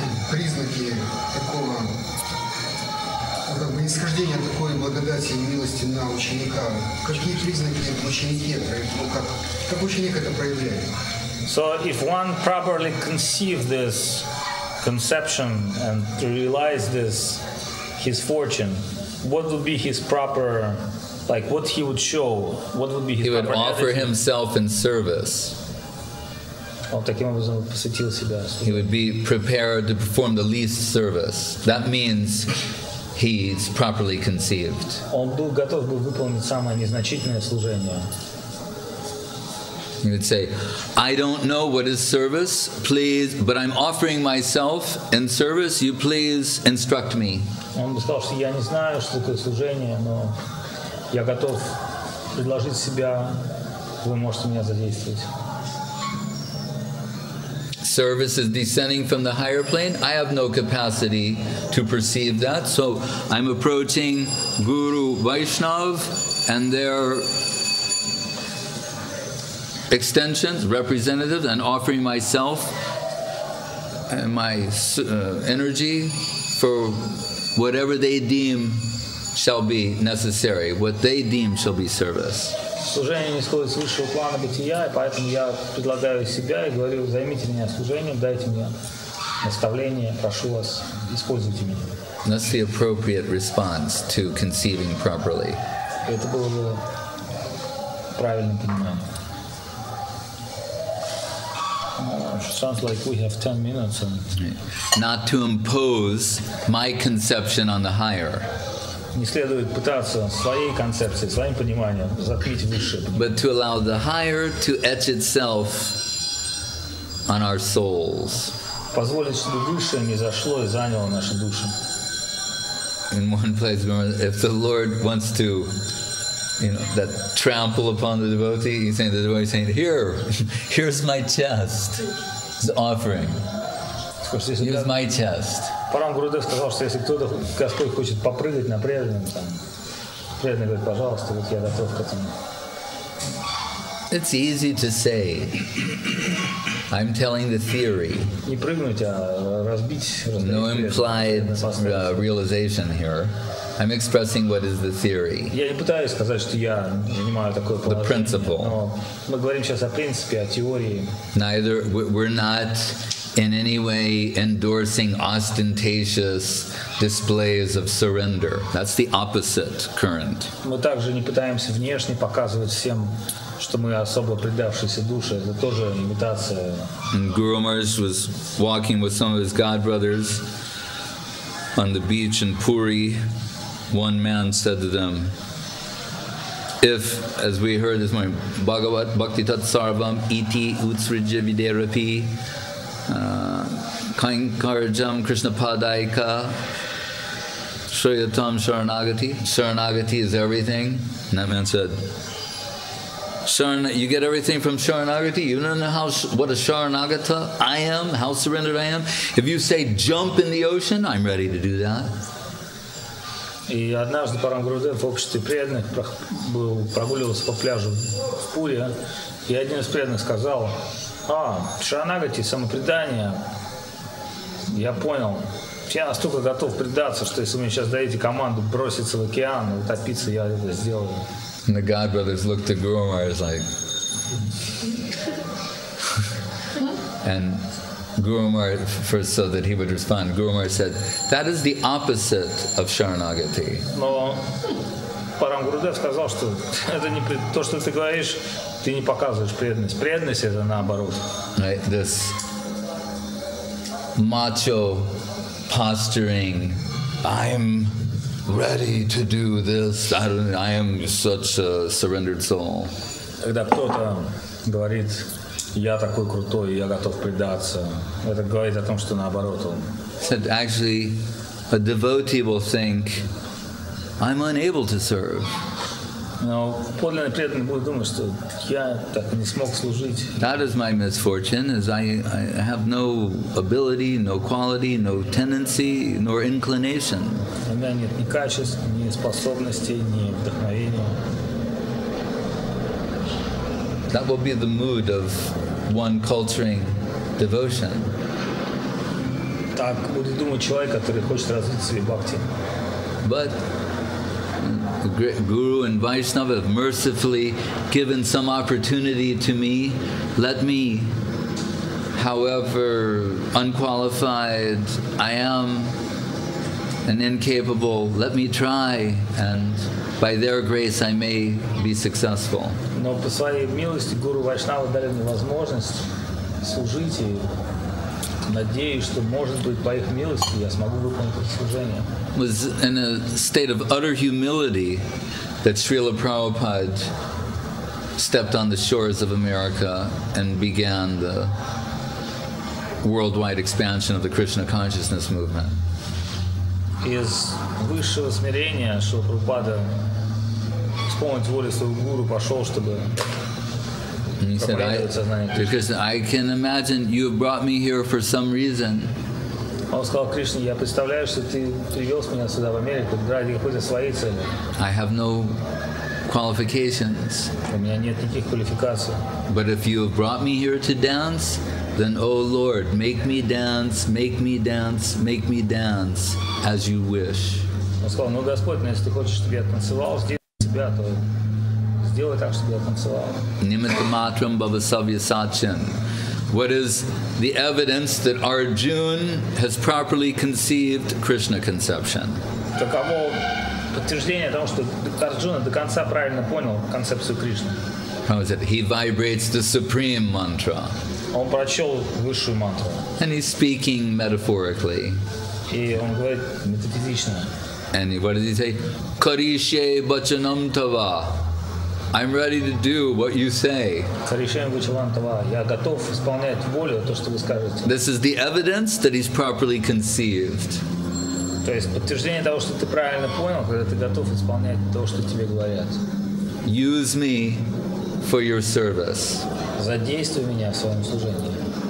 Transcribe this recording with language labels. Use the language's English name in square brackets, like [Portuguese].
[Russian] Признаки такого нисхождение такой благодати и милости на ученика. Какие признаки в ученике? Ну, как ученик это проявляет? [English] So if one properly conceive this conception and realize this his fortune, what would be his proper, like what he would show? What would be his proper attitude? He would offer himself in service. He would be prepared to perform the least service. That means he's properly conceived. [Russian] Он был готов был выполнить самое незначительное служение. [English] He would say, I don't know what is service, please, but I'm offering myself in service, you please instruct me. [Russian] Он бы сказал, что я не знаю, что такое служение, но я готов предложить себя, вы можете меня задействовать. [English] Service is descending from the higher plane. I have no capacity to perceive that. So I'm approaching Guru Vaishnav and their extensions, representatives, and offering myself and my energy for whatever they deem shall be necessary, what they deem shall be service. [Russian] Служение не исходит с высшего плана бытия, и поэтому я предлагаю себя и говорю, займите меня служением, дайте мне наставление, прошу вас, используйте меня. [English] That's the appropriate response to conceiving properly. [Russian] Это было бы правильное понимание. [English] Sounds like we have 10 minutes. And not to impose my conception on the higher. [Russian] Не следует пытаться своей концепцией, своим пониманием закрыть высшее. [English] But to allow the higher to etch itself on our souls. [Russian] Позволить, чтобы высшее не зашло и заняло наши души. [English] In one place, if the Lord wants to, you know, that trample upon the devotee, he's saying, the devotee saying, here, here's my chest, his offering. Use my chest. [Russian] Парам Гуруде сказал, что если кто-то, Господь хочет попрыгать на преданном, там, преданный говорит, пожалуйста, вот я готов к этому. [English] It's easy to say. I'm telling the theory. [Russian] Не прыгнуть, а разбить. [English] No implied realization here. I'm expressing what is the theory. [Russian] Я не пытаюсь сказать, что я занимаю такое положение. [English] The principle. [Russian] Но мы говорим сейчас о принципе, о теории. [English] Neither we're not in any way endorsing ostentatious displays of surrender. That's the opposite current. [Russian] Мы также не пытаемся внешне показывать всем, что мы особо предавшиеся души, это тоже имитация. [English] And Guru Maharaj was walking with some of his god brothers on the beach in Puri. One man said to them, if, as we heard this morning, [Sanskrit] Bhagavat Bhakti Tat Sarvam Iti Utsrija Viderapi Kankarajam Krishna Padaika Shriyatam Sharanagati. [English] Sharanagati is everything. And that man said, Sharan, you get everything from Sharanagati? You don't know how, what a Sharanagata I am, how surrendered I am? If you say jump in the ocean, I'm ready to do that. [Russian] И однажды Парам Гурудев в обществе преданных был, прогуливался по пляжу в Пуре, и один из преданных сказал, а, Шаранагати, самопредание, я понял, я настолько готов предаться, что если вы мне сейчас даете команду броситься в океан, утопиться, я это сделаю. [English] And the God brothers looked at Guru Maharaj like... And Guru Maharaj, first so that he would respond, Guru Maharaj said, that is the opposite of Sharanagati. [Russian] Но Парам Гурудев сказал, что это не то, что ты говоришь, ты не показываешь преданность. Преданность — это наоборот. [English] Right, this macho posturing, I'm ready to do this, I am such a surrendered soul. [Russian] Когда кто-то говорит, я такой крутой, я готов предаться. Это говорит о том, что наоборот он. [English] Said, actually, a devotee will think, I'm unable to serve. [Russian] Но подлинный преданный будет думать, что я так не смог служить. [English] That is my misfortune, is I have no ability, no quality, no tendency, nor inclination. [Russian] У меня нет ни качеств, ни способностей, ни вдохновения. [English] That will be the mood of one culturing devotion. [Russian] Так будет думать человек, который хочет развить свои бхакти. [English] But the great Guru and Vaishnava have mercifully given some opportunity to me. Let me, however unqualified I am and incapable, let me try and by their grace, I may be successful. [Russian] Но по своей милости Гуру Вайшнава дали мне возможность служить, и надеюсь, что, может быть, по их милости я смогу выполнить это служение. [English] Was in a state of utter humility that Srila Prabhupada stepped on the shores of America and began the worldwide expansion of the Krishna consciousness movement. [Russian] Из высшего смирения Шрила Прабхупада исполнить воли своего гуру пошел, чтобы проповедовать сознание. [English] Because I can imagine you have brought me here for some reason. [Russian] Он сказал Кришне, я представляю, что ты привез меня сюда в Америку ради какой-то своей цели. [English] I have no qualifications. [Russian] У меня нет никаких квалификаций. [English] But if you have brought me here to dance, then, O Lord, make me dance, make me dance, make me dance as you wish. [Russian] Он сказал, ну, Господь, если ты хочешь, чтобы я танцевал, сделай себя, то сделай так, чтобы я танцевал. [Sanskrit] Nimittamatram bhavasavya sachin. [English] What is the evidence that Arjuna has properly conceived Krishna conception? [Russian] Каково подтверждение того, что Арджуна до конца правильно понял концепцию Кришны? [English] How is it? He vibrates the supreme mantra. [Russian] Он прочел высшую мантру. [English] And he's speaking metaphorically. [Russian] И он говорит метафизично. [English] And what does he say? [Sanskrit] Karishye bachanam tava. [English] I'm ready to do what you say. [Russian] Я готов исполнять волю, то, что вы скажете. [English] This is the evidence that he's properly conceived. [Russian] То есть подтверждение того, что ты правильно понял, когда ты готов исполнять то, что тебе говорят. [English] Use me for your service. [Russian] Задействуй меня в своем служении.